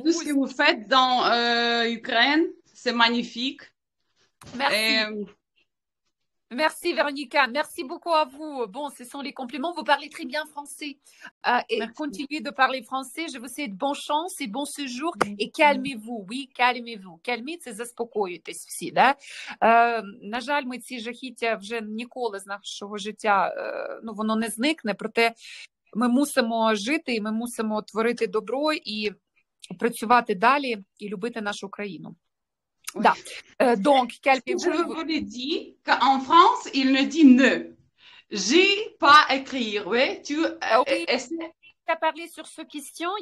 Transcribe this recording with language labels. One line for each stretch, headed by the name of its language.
French: De tout ce que vous faites dans l'Ukraine, c'est magnifique. Merci. Merci, Véronica. Merci beaucoup à vous. Bon, ce sont les compliments. Vous parlez très bien français. Et merci. Continuez de parler français. Je vous souhaite de bonne chance et bon séjour. Mm-hmm. Et calmez-vous. Oui, calmez-vous. Calmez-vous, c'est
Ukrainian: заспокоїтесь всі, да? На жаль, ми ці жахіття вже ніколи з нашого життя, ну, воно не зникне. Проте ми мусимо жити і ми мусимо творити добро і працювати далі і любити нашу країну.
French: Oui. Da. Donc, calmez-vous. Je vous l'ai dit qu'en France, il ne dit ne. J'ai pas écrit. Oui, tu Tu as parlé sur cette question.